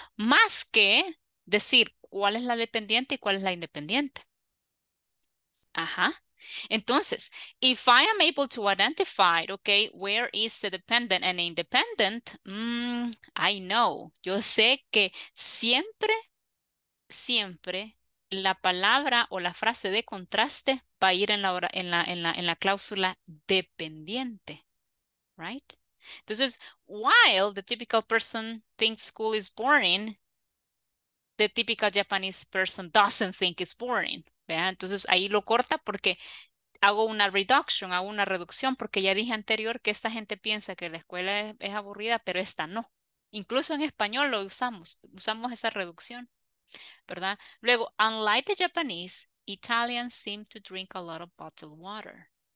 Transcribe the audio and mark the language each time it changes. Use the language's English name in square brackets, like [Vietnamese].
[Spanish] Más que decir, ¿cuál es la dependiente y cuál es la independiente? Ajá. [English] Entonces, if I am able to identify, okay, where is the dependent and independent, I know. [Spanish] Yo sé que siempre la palabra o la frase de contraste va a ir en la cláusula dependiente, right? [English] Entonces, while the typical person thinks school is boring, the typical Japanese person doesn't think it's boring. [Spanish] ¿Vean? Entonces, ahí lo corta porque hago una reducción, porque ya dije anterior que esta gente piensa que la escuela es aburrida, pero esta no. Incluso en español lo usamos esa reducción. ¿Verdad? [English] Luego, unlike the Japanese, Italians seem to drink a lot of bottled water.